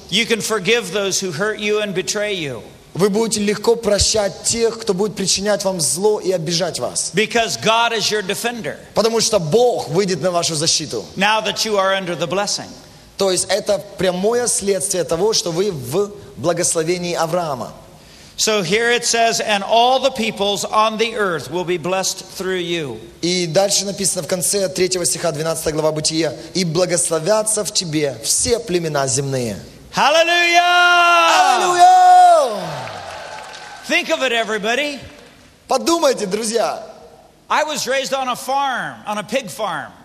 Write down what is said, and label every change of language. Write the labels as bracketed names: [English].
[English] You can forgive those who hurt you and betray you. [Russian] Вы будете легко прощать тех, кто будет причинять вам зло и обижать вас. [English] Because God is your defender. [Russian] Потому что Бог выйдет на вашу защиту. [English] Now that you are under the blessing. [Russian] То есть это прямое следствие того, что вы в благословении Авраама. [English] So here it says, and all the peoples on the earth will be blessed through you. [Russian] И дальше написано в конце 3 стиха 12 глава Бытия, и благословятся в тебе все племена земные. [English] Hallelujah! Think of it, everybody. [Russian] Подумайте, друзья. [English] I was raised on a farm, on a pig farm.